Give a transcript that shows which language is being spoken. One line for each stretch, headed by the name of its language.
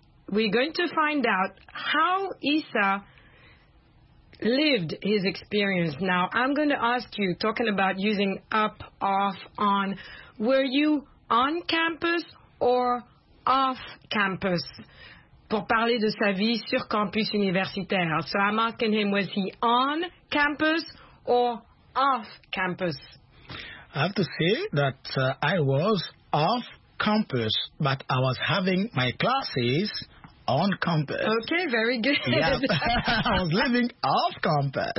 English: We're going to find out how Issa lived his experience. Now, I'm going to ask you, talking about using up, off, on, were you on campus or off campus?
French: Pour parler de sa vie sur campus universitaire.
English: So I'm asking him, was he on campus or off campus? I have to say that I was off campus, but I was having my classes on campus. Okay, very good. Yep. I was living off campus.